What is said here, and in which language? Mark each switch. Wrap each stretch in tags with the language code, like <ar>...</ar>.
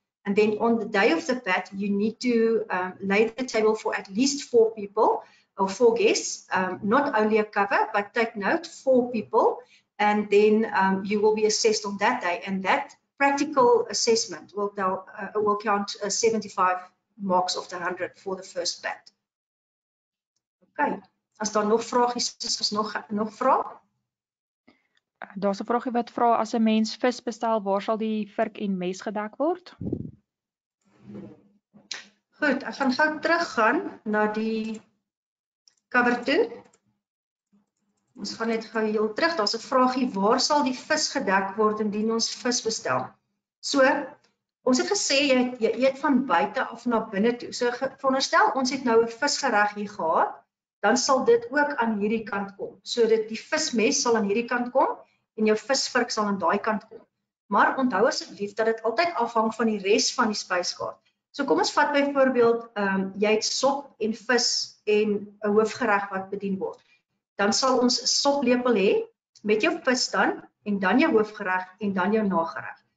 <en>And then on the day of the PAT, you need to lay the table for at least 4 people or 4 guests, not only a cover, but take note, 4 people, and then you will be assessed on that day. And that practical assessment will count 75 marks of the 100 for the first PAT.</en> <af>Okay, as daar nog vraag is, is nog vraag. Daar is een vraagje wat vraag, as een mens vis bestel, waar sal die vark en mes gedek word? Goed, ek gaan gauw teruggaan na die cover toe. Ons gaan net gauw heel terug, daar is een vraagje, waar sal die vis gedek word indien ons vis bestel? So, ons het gesê, jy eet van buiten af na binnen toe. So, veronderstel, ons het nou een visgereg hier gehad, dan sal dit ook aan hierdie kant kom. So, dat die vismes sal aan hierdie kant kom, en jou visvark sal aan die kant kom. Maar onthou asseblief dat het altyd afhang van die rest van die spyskaart. So kom ons vat byvoorbeeld, jy het sop en vis en 'n hoofgereg wat bedien word. Dan sal ons soplepel hê met jou vis dan, en dan jou hoofgereg en dan jou nagereg.</af>